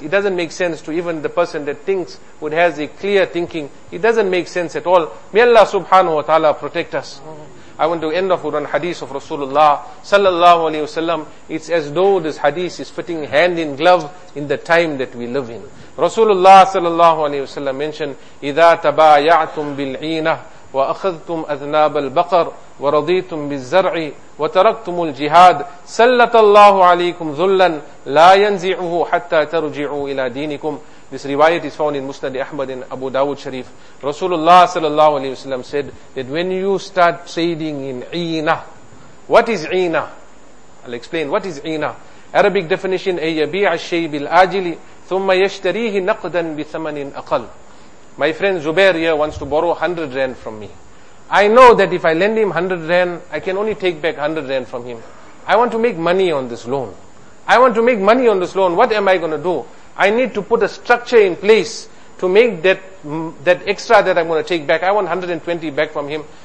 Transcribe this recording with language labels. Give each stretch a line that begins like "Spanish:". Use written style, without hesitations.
English: It doesn't make sense to even the person that thinks, would has a clear thinking. It doesn't make sense at all. May Allah subhanahu wa ta'ala protect us. I want to end off with one hadith of Rasulullah sallallahu alayhi wasallam. It's as though this hadith is fitting hand in glove in the time that we live in. Rasulullah sallallahu alayhi wasallam mentioned,
Arabic: إِذَا تَبَايَعْتُمْ بِالْعِينَةِ وَأَخَذْتُمْ أَذْنَابَ الْبَقَرِ وَرَضِيتُمْ بِالزَّرْعِ وَتَرَكْتُمُ الْجِهَادِ سَلَّتَ اللَّهُ عَلَيْكُمْ ذُلًّا لَا يَنْزِعُهُ حَتَّى تَرُجِعُوا إِلَى دِينِكُمْ.
English: This riwayat is found in Musnad Ahmad in Abu Dawud Sharif. Rasulullah sallallahu alayhi wasallam said that when you start trading in Eena, what is Eena? I'll explain. What is Eena? Arabic definition,
Arabic: أَيَّبِيعَ الشَّيْءِ بِالْآجِلِ ثُمَّ يَشْتَرِيهِ نَقْدًا بِثَمَنٍ أَقَلْ.
English: My friend Zubair here wants to borrow 100 rand from me. I know that if I lend him 100 rand, I can only take back 100 rand from him. I want to make money on this loan. I want to make money on this loan. What am I going to do? I need to put a structure in place to make that extra that I'm going to take back. I want 120 back from him.